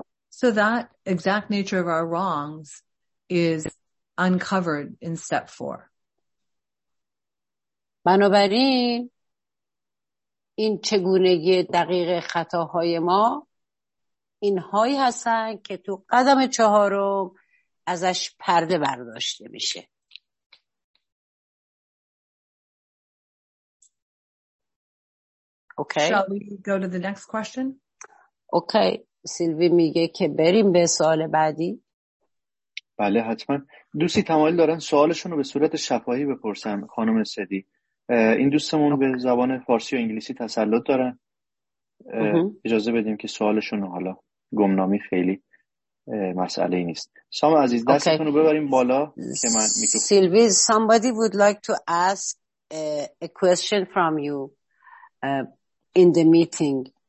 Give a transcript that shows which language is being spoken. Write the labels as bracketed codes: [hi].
[en] So that exact nature of our wrongs is uncovered in step 4. [fa] بنابراین این چگونگی دقیق خطاهای ما اینهایی هستن که تو قدم 4 ازش پرده برداشته میشه. [en] Okay. Shall we go to the next question? Okay. [fa] سیلوی میگه که بریم به سوال بعدی. بله حتما. دوستی تمایل دارن سوالشون رو به صورت شفاهی بپرسن. خانم صدی، این دوستمون به زبان فارسی و انگلیسی تسلط دارن، اجازه بدیم که سوالشون رو حالا گمنامی خیلی مسئله ای نیست. سام عزیز دستتون رو ببریم بالا که من میکروفون. [en] سیلوی، somebody would like to ask a question from you in the meeting.